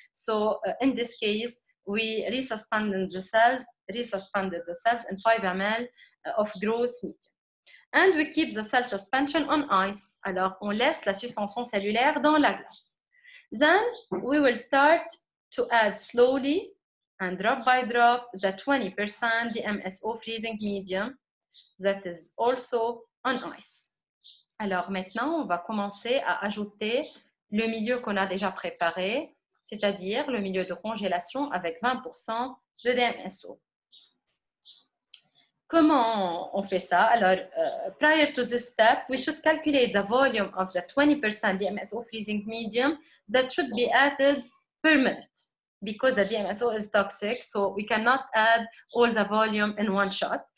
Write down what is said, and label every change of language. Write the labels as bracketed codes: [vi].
[en] So, in this case, we resuspended the cells in 5 ml of growth medium. And we keep the cell suspension on ice. [fr] Alors, on laisse la suspension cellulaire dans la glace. [en] Then, we will start to add slowly and drop by drop the 20% DMSO freezing medium that is also on ice. [fr] Alors, maintenant, on va commencer à ajouter le milieu qu'on a déjà préparé, c'est-à-dire le milieu de congélation avec 20% de DMSO. Comment on fait ça? [en] Alors, prior to this step, we should calculate the volume of the 20% DMSO freezing medium that should be added per minute because the DMSO is toxic, so we cannot add all the volume in one shot.